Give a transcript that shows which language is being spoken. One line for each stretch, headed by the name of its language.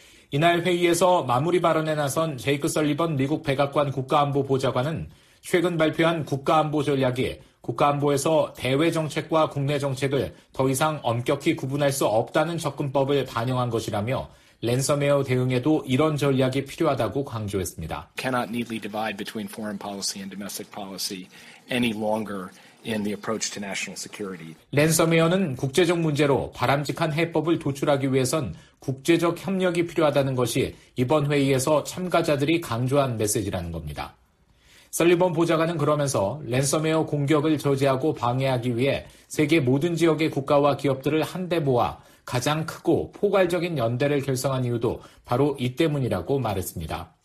Korean: 이날 회의에서 마무리 발언에 나선 제이크 설리번 미국 백악관 국가안보보좌관은 최근 발표한 국가안보 전략이 국가안보에서 대외정책과 국내정책을 더 이상 엄격히 구분할 수 없다는 접근법을 반영한 것이라며 랜섬웨어 대응에도 이런 전략이 필요하다고 강조했습니다.
English: Cannot neatly divide between foreign policy and domestic policy any longer in the approach to national security.
Korean: 랜섬웨어는 국제적 문제로 바람직한 해법을 도출하기 위해선 국제적 협력이 필요하다는 것이 이번 회의에서 참가자들이 강조한 메시지라는 겁니다. 설리번 보좌관은 그러면서 랜섬웨어 공격을 저지하고 방해하기 위해 세계 모든 지역의 국가와 기업들을 한데 모아 가장 크고 포괄적인 연대를 결성한 이유도 바로 이 때문이라고 말했습니다.